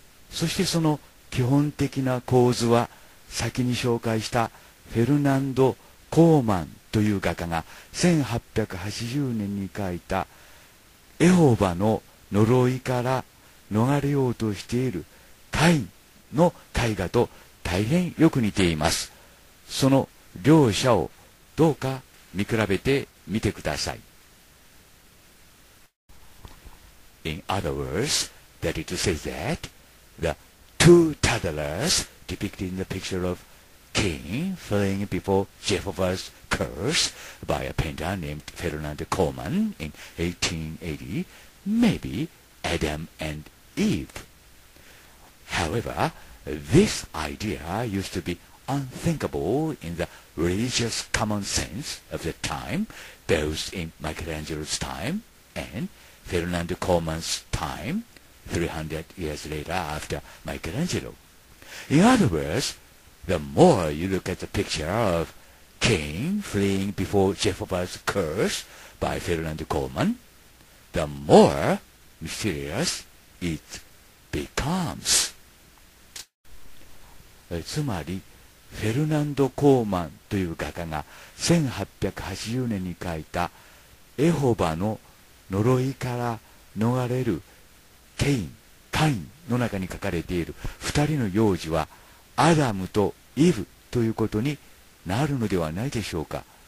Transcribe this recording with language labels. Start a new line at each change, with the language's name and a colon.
Japanese: そしてその基本的な構図は、先に紹介したフェルナンド・コーマンという画家が1880年に描いたエホバの呪いから逃れようとしているカインの絵画と大変よく似ています。その両者をどうか見比べてみてください。
English: In other words, that is to say that the two toddlers depicted in the picture of Cain fleeing before Jehovah's curse by a painter named Ferdinand Coleman in 1880 may be Adam and Eve. However, this idea used to be unthinkable in the religious common sense of the time, both in Michelangelo's time and Ferdinand Coleman's time, 300 years later after Michelangelo. In other words, the more you look at the picture of Cain fleeing before Jehovah's curse by Ferdinand Coleman, the more mysterious it becomes.
Japanese: つまり、フェルナンド・コーマンという画家が1880年に描いたエホバの呪いから逃れるケイン、カインの中に描かれている2人の幼児はアダムとイブということになるのではないでしょうか。